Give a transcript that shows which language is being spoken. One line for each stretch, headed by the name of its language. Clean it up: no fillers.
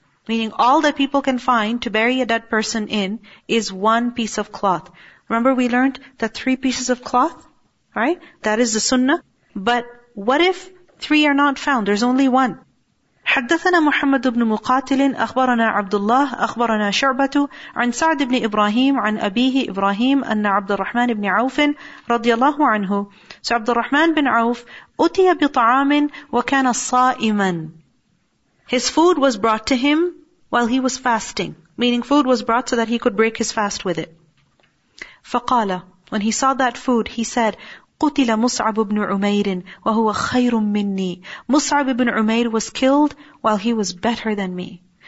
English: Meaning all that people can find to bury a dead person in is one piece of cloth. Remember we learned that three pieces of cloth, right? That is the sunnah. But what if three are not found? There's only one.
Arabic: حدثنا محمد بن مقاتل أخبرنا عبد الله أخبرنا شعبة عن سعد بن إبراهيم عن أبيه إبراهيم أن عبد الرحمن بن عوف رضي الله عنه. So عبد الرحمن بن عوف أتي بطعام وكان صائما.
English: His food was brought to him while he was fasting. Meaning food was brought so that he could break his fast with it.
Arabic: فقال,
English: when he saw that food, he said,
Arabic: قُتِلَ مُصْعَبُ بْنُ عُمَيْرٍ وَهُوَ خَيْرٌ مِّنِّي.
English: مُصْعَبُ بْنُ عُمَيْرٍ was killed while he was better than me.